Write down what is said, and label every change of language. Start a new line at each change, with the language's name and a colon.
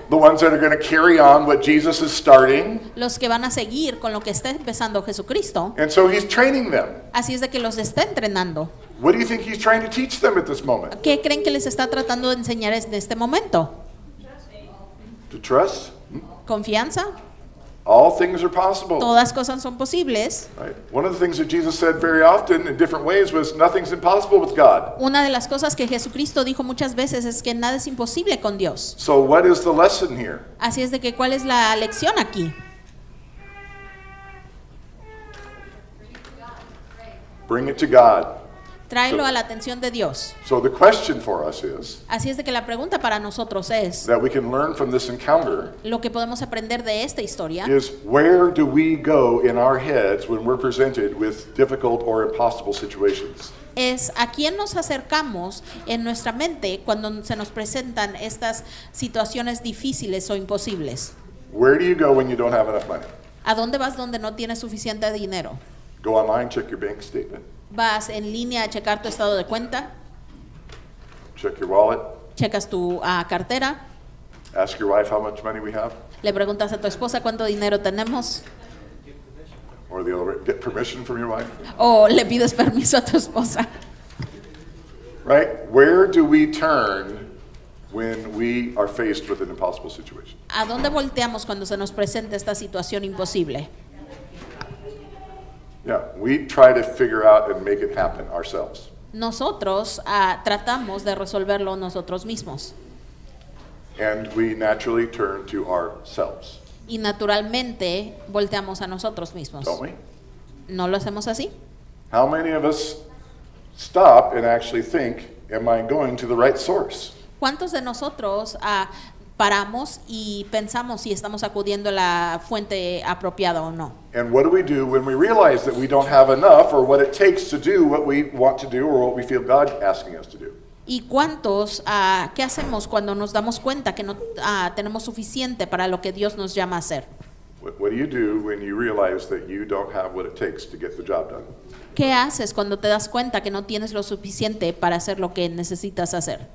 English: The ones that are going to carry on what Jesus is starting.
Spanish: Los que van a seguir con lo que está empezando Jesucristo.
English: And so he's training them.
Spanish: Así es de que los está entrenando.
English: What do you think he's trying to teach them at this moment?
Spanish: ¿Qué creen que les está tratando de enseñar en este momento?
English: To trust.
Spanish: Confianza.
English: All things are possible.
Spanish: Todas cosas son posibles.
English: Right.
Spanish: One of the things that Jesus said very often in different ways was nothing's impossible with God.
English: Una de las cosas que Jesucristo dijo muchas veces es que nada es imposible con Dios.
Spanish: So what is the lesson here?
English: Así es de que ¿cuál es la lección aquí?
Spanish: Bring it to God.
English: Tráelo a la atención de Dios.
Spanish: So the question for us is,
English: así es de que la pregunta para nosotros es,
Spanish: that we can learn from this encounter,
English: lo que podemos aprender de esta historia,
Spanish: is where do we go in our heads when we're presented with difficult or impossible situations?
English: Es a quién nos acercamos en nuestra mente cuando se nos presentan estas situaciones difíciles o imposibles.
Spanish: Where do you go when you don't have enough money?
English: ¿A dónde vas donde no tienes suficiente dinero?
Spanish: Go online, check your bank statement.
English: ¿Vas en línea a checar tu estado de cuenta?
Spanish: Check your wallet.
English: ¿Checas tu cartera?
Spanish: Ask your wife how much money we have.
English: ¿Le preguntas a tu esposa cuánto dinero tenemos?
Spanish: Or the other, get permission from your wife.
English: O le pides permiso a tu esposa.
Spanish: Right?
English: Where do we turn when we are faced with an impossible situation?
Spanish: ¿A dónde volteamos cuando se nos presenta esta situación imposible?
English: Yeah, we try to figure out and make it happen ourselves.
Spanish: Nosotros tratamos de resolverlo nosotros mismos.
English: And we naturally turn to ourselves.
Spanish: Y naturalmente volteamos a nosotros mismos.
English: Don't we?
Spanish: ¿No lo hacemos así?
English: How many of us stop and actually think, am I going to the right source?
Spanish: ¿Cuántos de nosotros paramos y pensamos si estamos acudiendo a la fuente apropiada o no?
English: And what do we do when we realize that we don't have enough or what it takes to do what we want to do or what we feel God asking us to do?
Spanish: ¿Y cuántos, qué hacemos cuando nos damos cuenta que no tenemos suficiente para lo que Dios nos llama a hacer?
English: What do you do when you realize that you don't have what it takes to get the job done?
Spanish: ¿Qué haces cuando te das cuenta que no tienes lo suficiente para hacer lo que necesitas hacer?